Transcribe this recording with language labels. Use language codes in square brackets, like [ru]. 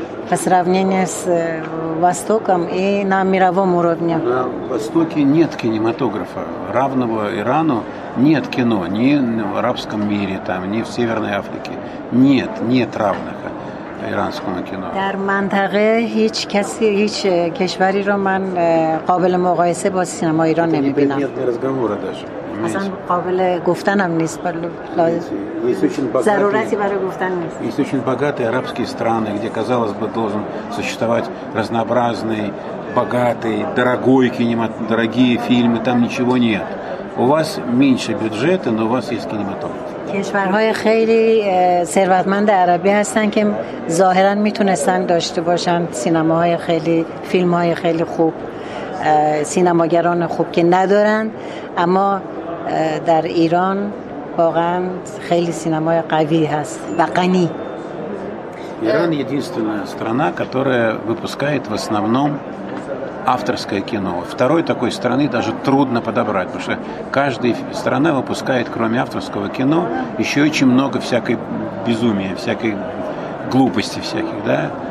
[ru] по сравнению с Востоком и на мировом уровне? На Востоке нет кинематографа. Равного Ирану нет кино. Ни в арабском мире, там, ни в Северной Африке. Нет, нет равных иранскому кино. [fa] در منطقه هیچ کسی هیچ کشوری رو من قابل مقایسه با سینما ایران نمی‌بینم. [ru] Нет, не разговора даже. [fa] اصلا قابل گفتن هم نیست ضرورتی برای گفتن نیست. [ru] Есть очень богатые арабские страны, где казалось бы должен существовать разнообразный, богатый, дорогой кинематограф, дорогие фильмы, там ничего нет. У вас меньше бюджета, но у вас есть кинематограф. [fa] کشورهای خیلی ثروتمند عربی هستن که ظاهرا میتونستن داشته باشن سینماهای خیلی فیلمهای خیلی خوب سینماگران خوب که ندارن اما در ایران واقعا خیلی سینمای قوی هست و غنی [ru] ایران единственная страна, которая выпускает в основном авторское кино. Второй такой страны даже трудно подобрать, потому что каждая страна выпускает, кроме авторского кино, еще очень много всякой безумия, всякой глупости всяких, да?